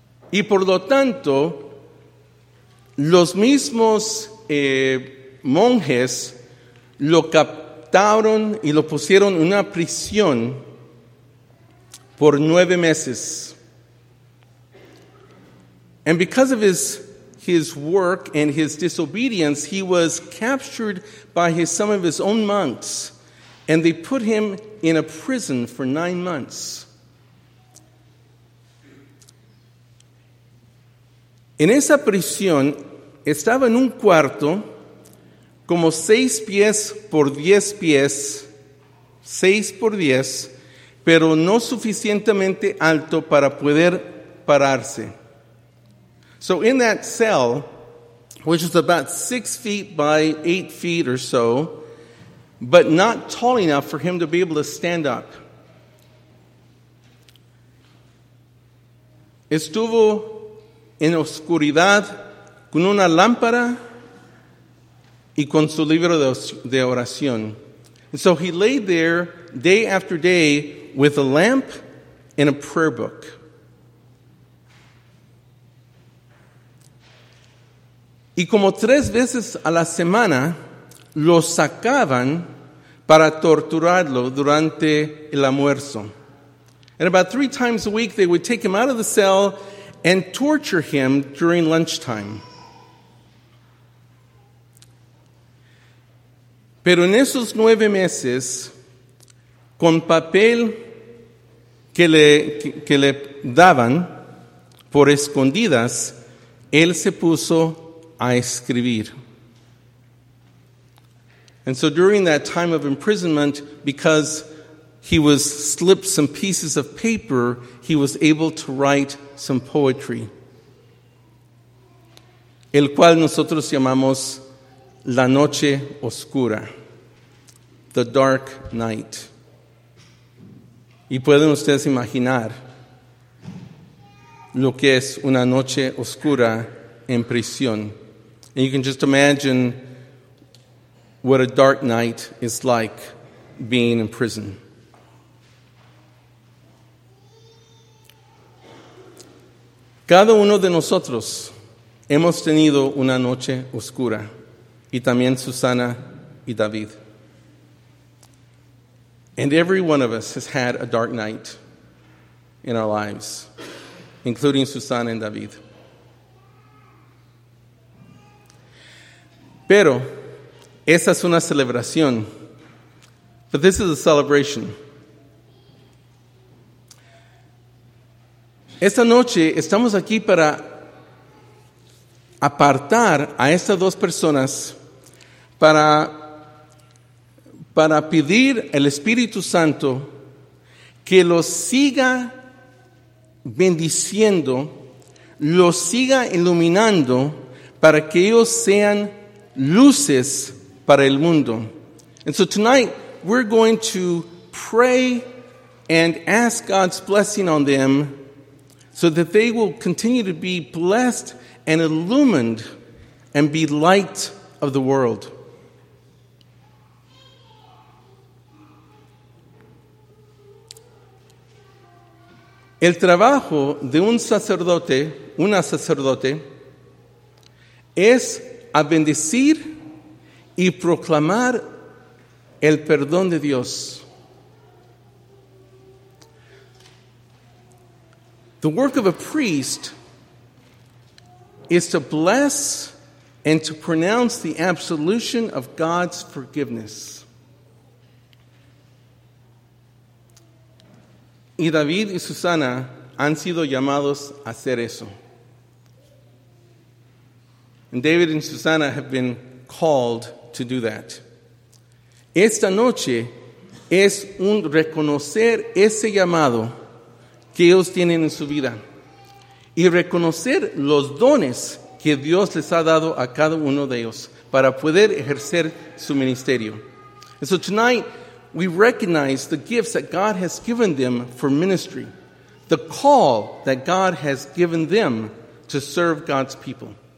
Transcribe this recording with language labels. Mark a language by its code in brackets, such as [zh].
[es] Y por lo tanto, los mismos monjes lo captaron y lo pusieron en una prisión por 9 meses. [en] And because of his work and his disobedience, he was captured by some of his own monks, and they put him in a prison for 9 months. [es] En esa prisión estaba en un cuarto como 6 pies por 10 pies, pero no suficientemente alto para poder pararse. [en] So in that cell, which is about 6 feet by 8 feet or so, but not tall enough for him to be able to stand up, [es] estuvo en oscuridad con una lámpara y con su libro de oración. [en] And so he lay there day after day with a lamp and a prayer book. [es] Y como 3 veces a la semana lo sacaban para torturarlo durante el almuerzo. [en] And about 3 times a week, they would take him out of the cell and torture him during lunchtime. [es] Pero en esos 9 meses, con papel que le daban por escondidas, él se puso a escribir. [en] And so during that time of imprisonment, because he was slipped some pieces of paper, he was able to write some poetry, [es] el cual nosotros llamamos La Noche Oscura, [en] The Dark Night. [es] Y pueden ustedes imaginar lo que es una noche oscura en prisión. [en] And you can just imagine what a dark night is like being in prison. [es] Cada uno de nosotros hemos tenido una noche oscura, y también Susana y David. [en] And every one of us has had a dark night in our lives, including Susana and David. [es] Pero esa es una celebración. [en] But this is a celebration. [es] Esta noche estamos aquí para apartar a estas dos personas para pedir al Espíritu Santo que los siga bendiciendo, los siga iluminando para que ellos sean luces para el mundo. [en] And so tonight we're going to pray and ask God's blessing on them so that they will continue to be blessed and illumined and be light of the world. [es] El trabajo de una sacerdote, es a bendecir y proclamar el perdón de Dios. [en] The work of a priest is to bless and to pronounce the absolution of God's forgiveness. [es] Y David y Susana han sido llamados a hacer eso. [en] And David and Susana have been called to do that. [es] Esta noche es un reconocer ese llamado que ellos tienen en su vida y reconocer los dones que Dios les ha dado a cada uno de ellos para poder ejercer su ministerio. [en] And so tonight, we recognize the gifts that God has given them for ministry, the call that God has given them to serve God's people.